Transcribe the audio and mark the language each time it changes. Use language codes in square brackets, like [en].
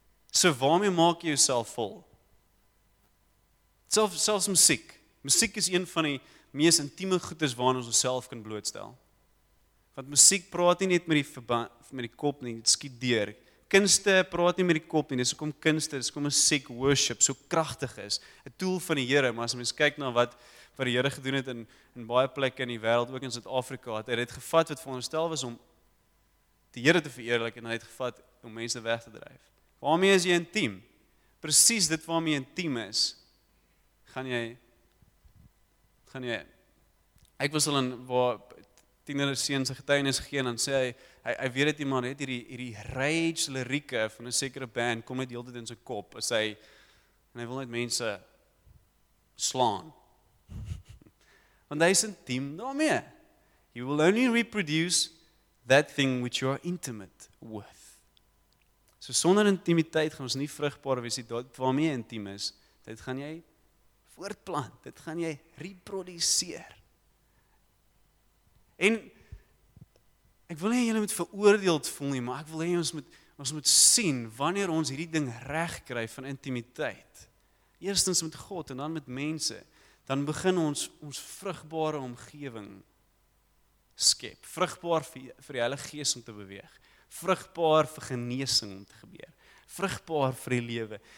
[af] So waarmee maak jy jouself vol? Selfs musiek. Musiek is een van die mees intieme goedes waarna ons onsself kan blootstel. Want musiek praat nie net met die kop nie, dit skiet deur. Kunste praat nie met die kop nie, dis hoekom kunste, dis hoekom musiek worship so kragtig is. 'N Tool van die Here, maar as mens kyk na wat die Here gedoen het in baie plekke in die wêreld, ook in Suid-Afrika, het hy dit gevat wat veronderstel was om die Here te vereerlik en hy het gevat om mense weg te dryf. Waarmee is jy intiem? Presies dit waarmee jy intiem is, gaan jy ek was al in waar tienere seuns se getuienis gegee en dan sê hy weet dit iemand het hierdie rage lirieke van 'n sekere band kom net heeltyd in sy kop as hy en hy wil net mense slaan. Want hy is intiem daarmee. [en] You will only reproduce that thing which you are intimate with. [af] So sonder intimiteit gaan ons nie vrugbaar wees nie. Dit waarmee jy intiem is, dit gaan jy voortplant, dit gaan jy reproduseer. En ek wil nie julle moet veroordeeld voel nie, maar ek wil hê ons moet sien wanneer ons hierdie ding reg kry van intimiteit. Eerstens met God en dan met mense, dan begin ons vrugbare omgewing skep, vrugbaar vir die Heilige Gees om te beweeg, vrugbaar vir genesing om te gebeur, vrugbaar vir die lewe.